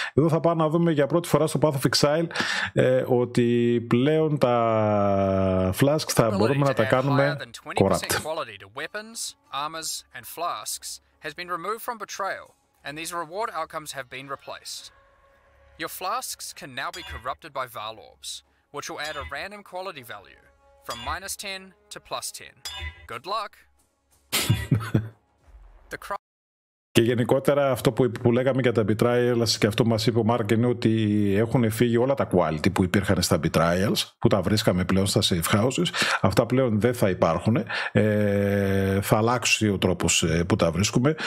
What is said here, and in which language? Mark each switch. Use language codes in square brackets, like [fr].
[el] Εδώ θα πάμε να δούμε για πρώτη φορά στο Path of Exile ότι πλέον τα flasks θα μπορούμε να τα κάνουμε corrupt. [en] Quality to weapons, armors and flasks has been removed from betrayal and these reward outcomes have been replaced. Your flasks can now be corrupted by Val Orbs, which will add a random quality value from minus 10 to plus 10. Good luck! [el] Και γενικότερα αυτό που λέγαμε για τα Betrayals και αυτό που μας είπε ο Μάρκ είναι ότι έχουν φύγει όλα τα quality που υπήρχαν στα Betrayals, που τα βρίσκαμε πλέον στα safe houses. Αυτά πλέον δεν θα υπάρχουν. Θα αλλάξει ο τρόπος που τα βρίσκουμε.